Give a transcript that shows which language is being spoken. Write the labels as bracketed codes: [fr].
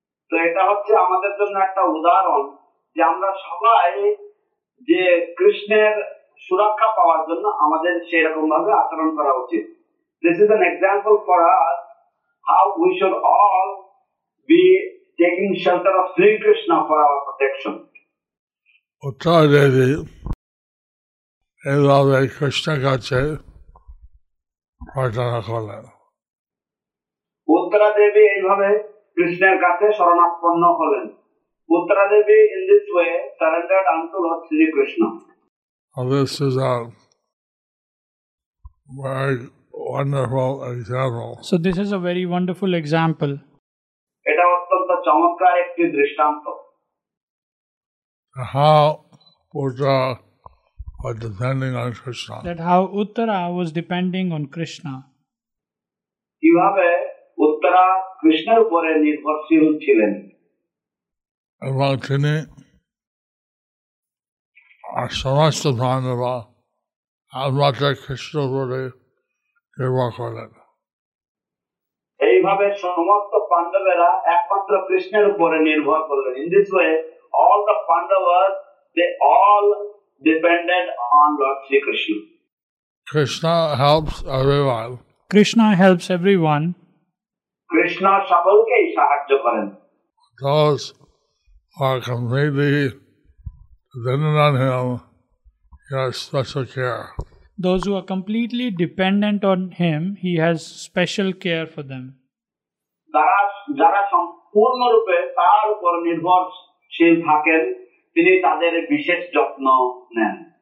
[bn] তো এটা হচ্ছে আমাদের জন্য একটা উদাহরণ যে আমরা সবাই যে কৃষ্ণের সুরক্ষা পাওয়ার জন্য আমাদের সেই রকম ভাবে আচরণ করা উচিত. [en] This is an example for us how we should all be taking shelter of Sri Krishna for our protection. [bn] Uttaradevi, এভাবে কৃষ্ণ কাছে প্রার্থনা করলেন. উত্তরাদেবী এইভাবে কৃষ্ণের কাছে শরণাপন্ন হলেন. [en] Uttaradevi in this way surrendered unto Lord Shrikrishna. This is a very wonderful example. So this is a very wonderful example. [bn] এটা অত্যন্ত চমৎকার একটি দৃষ্টান্ত. [en] How Uttara was depending on Krishna. That how Uttara was depending on Krishna. [bn] কিভাবে উত্তরা কৃষ্ণের উপরে নির্ভরশীল ছিলেন. এবং তিনি আর সমস্ত ভাণরা আমাদের কৃষ্ণের উপরে নির্ভর করেন. এইভাবে সমস্ত পাণ্ডবেরা একমাত্র কৃষ্ণের উপরে নির্ভর করলেন. [en] In this way all the Pandavas they all depended on Lord Shrikrishna. Krishna helps everyone. Krishna helps everyone. Krishna [bn] সকলকেই সাহায্য করেন. [en] Those who are completely dependent on him, he has special care. Those who are completely dependent on him, he has special care for them. [bn] যারা সম্পূর্ণরূপে তার উপর নির্ভরশীল থাকেন, তিনি তাদের বিশেষ যত্ন নেন.